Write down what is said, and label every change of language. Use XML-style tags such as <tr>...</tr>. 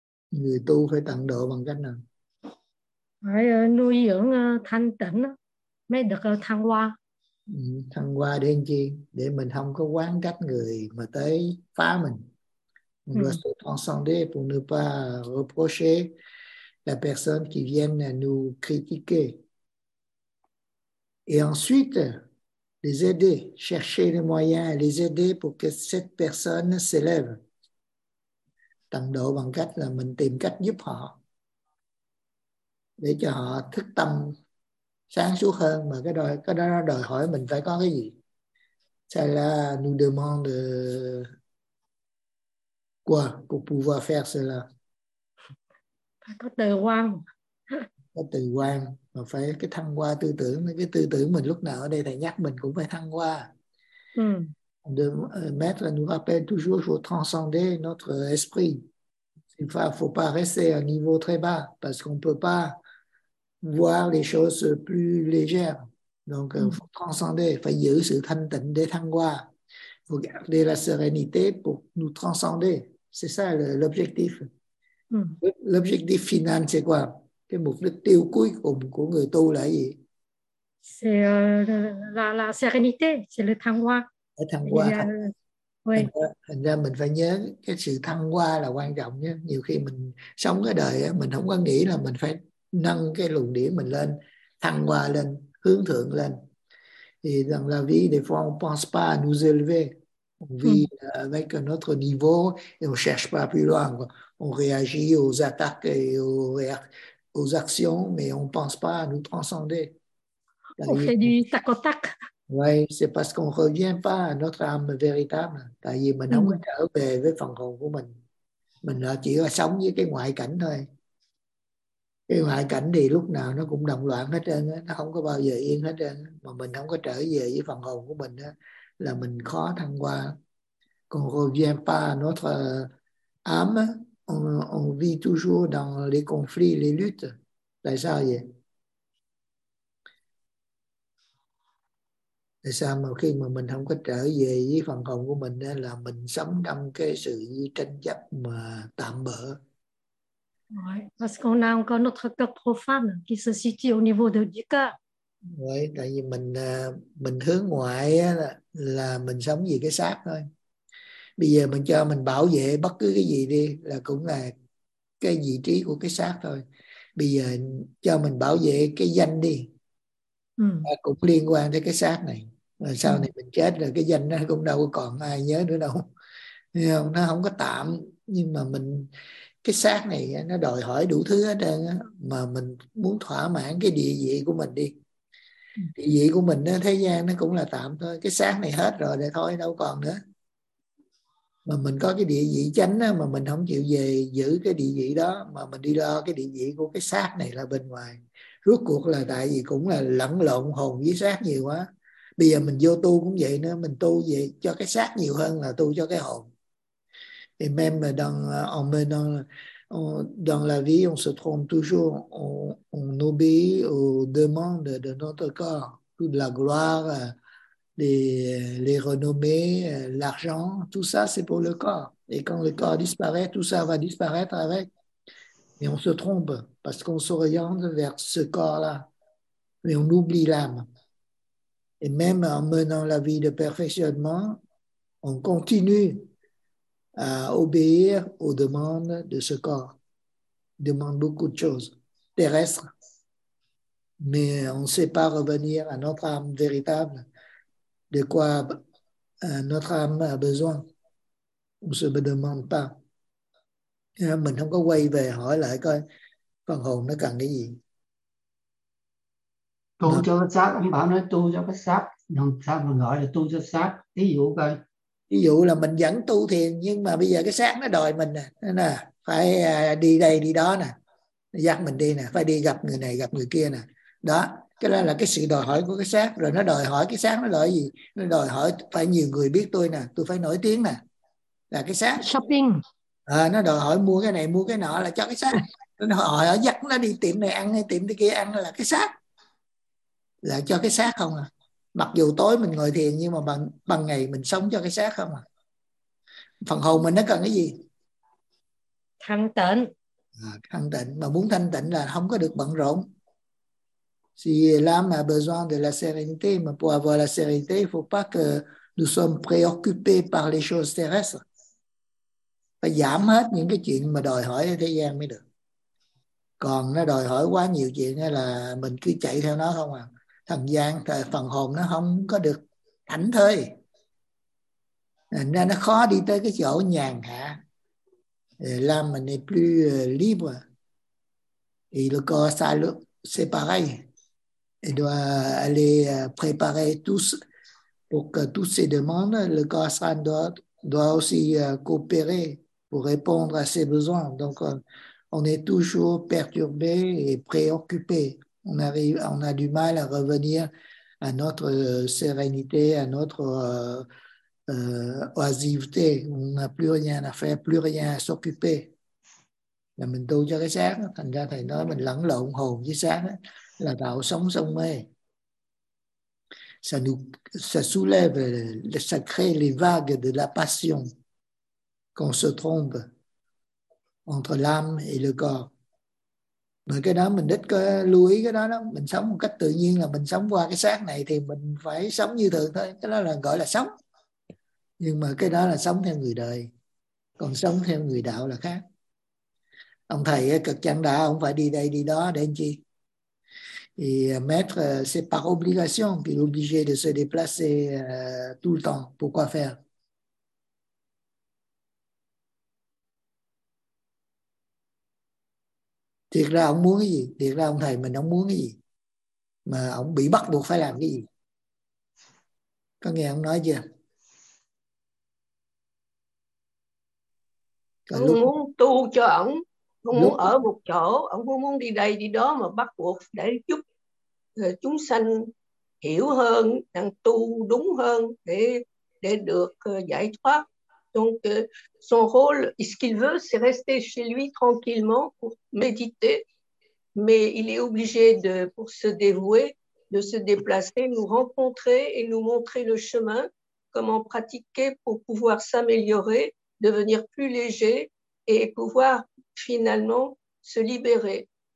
<vi>Người tu phải tận độ bằng cách nào? Phải nuôi dưỡng thanh tịnh mới được thăng hoa. Thăng hoa để làm chi? Để mình không có quán trách người mà tới phá mình.</vi> <fr>On doit se transcender pour ne pas reprocher la personne qui vient nous critiquer. Et ensuite, les aider, chercher les moyens, les aider pour que cette personne s'élève.</fr> <vi>Tận độ bằng cách là mình tìm cách giúp họ để cho họ thức tâm sáng suốt hơn. Mà cái đó đòi hỏi mình phải có cái gì?</vi> <fr>C'est là nous demande quoi pour pouvoir faire cela?</fr> <vi>Phải có từ quan. Có từ quan. Mà phải cái thăng hoa tư tưởng. Cái tư tưởng mình lúc nào ở đây thầy nhắc mình cũng phải thăng hoa.</vi> <fr>De maître nous rappelle toujours faut transcender notre esprit. Il ne faut pas rester à un niveau très bas parce qu'on ne peut pas voir les choses plus légères. Donc faut transcender. Il faut garder la</fr> <vi>thanh-tịnh để thăng hoa.</vi> <fr>Il faut garder la sérénité pour nous transcender. C'est ça l'objectif. L'objectif final, c'est quoi?</fr> <vi>Cái mục đích tiêu cuối cùng của người tu là gì?</vi> <fr>C'est la sérénité, c'est le thăng hoa.</fr> <vi>Thăng hoa. Thành ra mình phải nhớ cái sự thăng hoa là quan trọng nhé. Nhiều khi mình sống cái đời mình không có nghĩ là mình phải nâng cái luồng điểm mình lên, thăng hoa lên, hướng thượng lên.</vi> <fr>Thì dans la vie, des fois, on pense pas à nous élever. On vit avec un autre niveau et on cherche pas plus loin. On réagit aux attaques et aux actions, mais on pense pas à nous transcender. On fait du tac au tac. Oui, c'est parce qu'on revient pas à notre âme véritable. C'est-à-dire, maintenant, on</fr> <vi>trở về với phần hồn của mình. Mình chỉ là sống với cái ngoại cảnh thôi. Cái ngoại cảnh thì lúc nào nó cũng động loạn hết trơn, nó không có bao giờ yên hết trơn. Mà mình không có trở về với phần hồn của mình là mình khó thăng hoa. Quand on revient pas à notre âme, on vit toujours dans les conflits, les luttes. Tại sao vậy? Tại sao mà khi mà mình không có trở về với phần hồn của mình là mình sống trong cái sự tranh chấp mà tạm bỡ?</vi> <fr>Ouais, parce qu'on a encore notre cœur profane qui se situe au niveau du cœur.</fr> <vi>Oui, tại vì mình hướng ngoại là mình sống vì cái xác thôi. Bây giờ mình cho mình bảo vệ bất cứ cái gì đi là cũng là cái vị trí của cái xác thôi. Bây giờ cho mình bảo vệ cái danh đi. Cũng liên quan tới cái xác này. Mà sau này mình chết rồi cái danh nó cũng đâu còn ai nhớ nữa đâu. Nó không có tạm, nhưng mà mình cái xác này nó đòi hỏi đủ thứ hết trơn á, mà mình muốn thỏa mãn cái địa vị của mình đi. Địa vị của mình thế gian nó cũng là tạm thôi, cái xác này hết rồi thì thôi đâu còn nữa. Mà mình có cái địa vị chánh á, mà mình không chịu về giữ cái địa vị đó mà mình đi lo cái địa vị của cái xác này là bên ngoài. Rốt cuộc là tại vì cũng là lẫn lộn hồn với xác nhiều quá. Bây giờ mình vô tu cũng vậy nữa, mình tu vậy cho cái xác nhiều hơn là tu cho cái hồn.</vi> <fr>Et même dans la vie, on se trompe toujours. On obéit aux demandes de notre corps. Toute la gloire, les renommées, l'argent, tout ça, c'est pour le corps. Et quand le corps disparaît, tout ça va disparaître avec. Et on se trompe parce qu'on s'oriente vers ce corps-là. Mais on oublie l'âme. Et même en menant la vie de perfectionnement, on continue à obéir aux demandes de ce corps. Il demande beaucoup de choses terrestres, mais on ne sait pas revenir à notre âme véritable, de quoi notre âme a besoin. On ne se demande pas.</fr> <vi>Mình không có quay về hỏi lại coi phần hồn nó cần cái gì. Tu cho cái xác, ông bảo nói tu cho cái xác, làm sao mà gọi là tu cho xác? Ví dụ coi. Ví dụ là mình vẫn tu thiền nhưng mà bây giờ cái xác nó đòi mình nè, phải đi đây đi đó nè, dắt mình đi nè, phải đi gặp người này gặp người kia nè. Đó, cái đó là cái sự đòi hỏi của cái xác, rồi nó đòi hỏi cái xác nó đòi gì? Nó đòi hỏi phải nhiều người biết tôi nè, tôi phải nổi tiếng nè. Là cái xác</vi> <en>shopping.</en> <vi>À, nó đòi hỏi mua cái này mua cái nọ là cho cái xác. Nó hỏi dắt nó đi tiệm này ăn hay tiệm kia ăn là cái xác. Là cho cái xác không à. Mặc dù tối mình ngồi thiền nhưng mà bằng ngày mình sống cho cái xác không à. Phần hồn mình nó cần cái gì? Thanh tịnh. À, thanh tịnh. Mà muốn thanh tịnh là không có được bận rộn.</vi> <fr>Si l'âme a besoin de la sérénité, mais pour avoir la sérénité, il ne faut pas que nous sommes préoccupés par les choses terrestres.</fr> <vi>Phải giảm hết những cái chuyện mà đòi hỏi thế gian mới được. Còn nó đòi hỏi quá nhiều chuyện là mình cứ chạy theo nó không à. Thần gian, phần hồn nó không có được thảnh thơi. Nên nó khó đi tới cái chỗ nhàn hạ.</vi> <fr>L'âme n'est plus libre. Et le corps sale, c'est pareil. Il doit aller préparer tous pour que toutes ces demandes, le corps sale doit aussi coopérer pour répondre à ses besoins. Donc, on est toujours perturbé et préoccupé. On a du mal à revenir à notre sérénité, à notre oisiveté. On n'a plus rien à faire, plus rien à s'occuper.</fr> <vi>Là mình tu cho cái xác, thành ra thầy nói mình lẫn lộn hồn với xác là tạo sống sông mê.</vi> <fr>Ça soulève, ça crée les vagues de la passion qu'on se trompe entre l'âme et le corps.</fr> <vi>Mà cái đó mình đích lưu ý cái đó đó, mình sống một cách tự nhiên là mình sống qua cái xác này thì mình phải sống như thường thôi, cái đó là gọi là sống. Nhưng mà cái đó là sống theo người đời, còn sống theo người đạo là khác. Ông thầy cực chẳng đã, ông phải đi đây đi đó để làm chi?</vi> <fr>Et maître, c'est par obligation qu'il est obligé de se déplacer tout le temps. Pourquoi faire?</fr> <vi>Thiệt ra ông muốn cái gì? Thiệt ra ông thầy mình không muốn cái gì? Mà ông bị bắt buộc phải làm cái gì? Có nghe ông nói chưa? Ông lúc... muốn tu cho ông, ông muốn ở một chỗ, ông không muốn đi đây đi đó mà bắt buộc để giúp chúng sanh hiểu hơn, đang tu đúng hơn để được giải thoát.</vi> <fr>Donc son rôle, ce qu'il veut, c'est rester chez lui tranquillement pour méditer, mais il est obligé de pour se dévouer, de se déplacer, nous rencontrer et nous montrer le chemin, comment pratiquer pour pouvoir s'améliorer, devenir plus léger et pouvoir finalement se libérer.</fr>